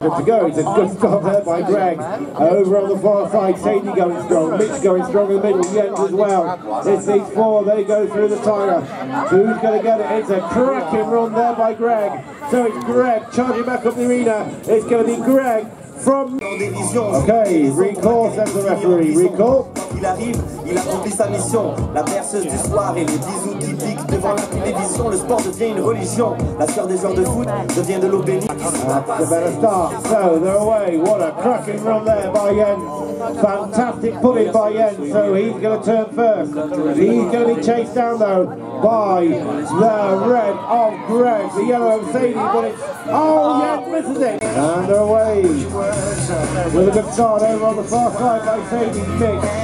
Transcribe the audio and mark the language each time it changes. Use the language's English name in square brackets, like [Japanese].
[English] There to go, it's a good start there by Greg. Over on the far side, Sadie going strong, Mitch going strong in the middle, Jens as well. It's these four, they go through the tyre. Who's going to get it? It's a cracking run there by Greg. So it's Greg charging back up the arena. It's going to be Greg from... Okay, recall, says the referee. Recall. [French] Il accomplit sa mission, la berceuse du soir et les bisous typiques devant la télévision. Le sport devient une religion, la sœur des joueurs de foot devient de l'eau bénite. [English] That's a better start, so they're away. What a cracking run there by Jens. Fantastic pulling by Jens, so he's going to turn first. He's going to be chased down though by the red of Greg, the yellow of Sadie, but it's... Oh, Jens misses it! And away, with a good start over on the far side by Sadie Mick.